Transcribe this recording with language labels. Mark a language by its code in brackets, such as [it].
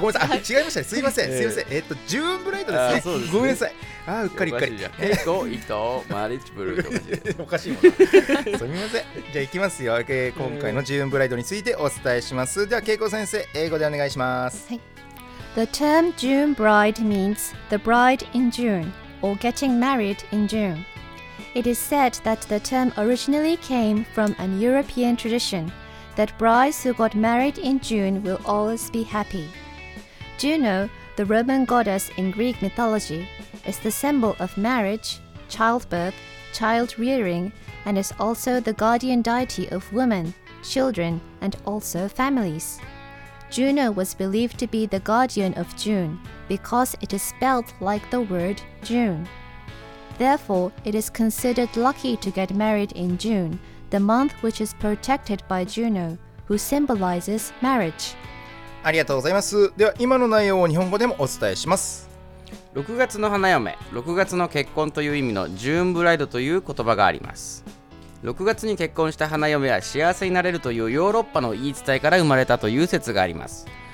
[ja] ごめんなさい、違いましたね、すいません。ジューンブライトですね。そうですね、ごめんなさい。あ、うっかりうっかり。恵子、伊藤、マリッチブルーとおかしいもんな。すみません。じゃあいきますよ、今回のジューンブライトについてお伝えします。では恵子先生、英語でお願いします。はい。 [en] The term June bride means the bride in June or getting married in June. It is said that the term originally came from an European tradition that brides who got married in June will always be happy. Juno, the Roman goddess in Greek mythology, is the symbol of marriage, childbirth, child rearing, and is also the guardian deity of women, children, and also families. Juno was believed to be the guardian of June because it is spelled like the word June. Therefore, it is considered lucky to get married in June, the month which is protected by Juno, who symbolizes marriage. [ja] ありがとうございます。では今の内容を日本語でもお伝えします。 6月の花嫁、6月の結婚という意味のジューンブライドという言葉があります。 6月に結婚した花嫁は幸せになれるというヨーロッパの言い伝えから生まれたという説があります。